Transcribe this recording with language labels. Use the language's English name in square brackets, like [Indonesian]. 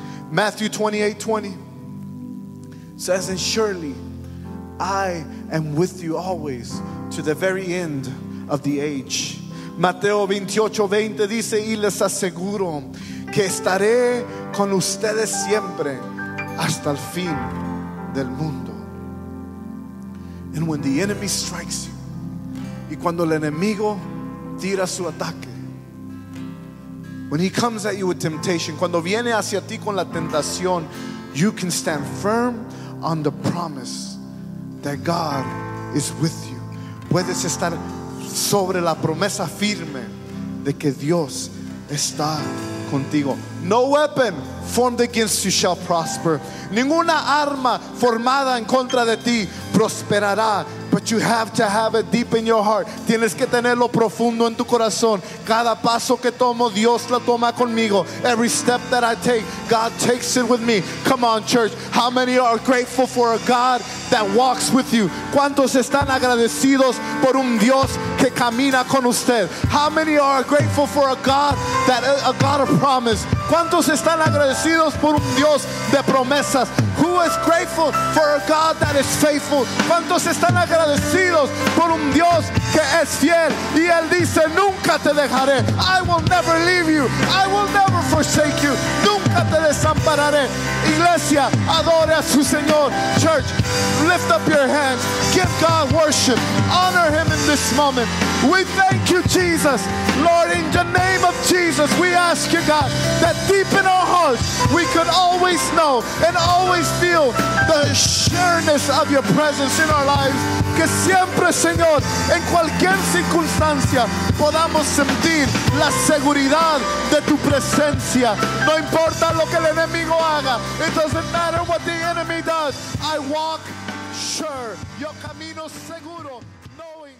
[English] Matthew 28:20 says, and surely I am with you always to the very end of the age. [Spanish] Mateo 28:20 dice, y les aseguro que estaré con ustedes siempre hasta el fin del mundo. [English] And when the enemy strikes you, [Spanish] y cuando el enemigo tira su ataque, [English] when he comes at you with temptation, [Spanish] cuando viene hacia ti con la tentación, [English] you can stand firm on the promise that God is with you. [Spanish] Puedes estar sobre la promesa firme de que Dios está contigo. [English] No weapon formed against you shall prosper. [Spanish] Ninguna arma formada en contra de ti prosperará. [English] But you have to have it deep in your heart. [Spanish] Tienes que tenerlo profundo en tu corazón. Cada paso que tomo, Dios lo toma conmigo. [English] Every step that I take, God takes it with me. Come on, church. How many are grateful for a God that walks with you? [Spanish] ¿Cuántos están agradecidos por un Dios que camina con usted? [English] How many are grateful for a God of promise? [Spanish] ¿Cuántos están agradecidos por un Dios de promesas? [English] Who is grateful for a God that is faithful? [Spanish] ¿Cuántos están agradecidos por un Dios que es fiel? Y Él dice, nunca te dejaré. [English] I will never leave you. I will never forsake you. [Spanish] Nunca te desampararé. Iglesia, adore a su Señor. [English] Church, lift up your hands. Give God worship. Honor Him in this moment. We thank you, Jesus. Lord, in the name of Jesus, we ask you, God, that deep in our hearts, we could always know and always feel the sureness of your presence in our lives. [Spanish] Que siempre, Señor, en cualquier circunstancia, podamos sentir la seguridad de tu presencia. No importa lo que el enemigo haga. [English] It doesn't matter what the enemy does. I walk sure. [Spanish] Yo camino seguro. [English] No.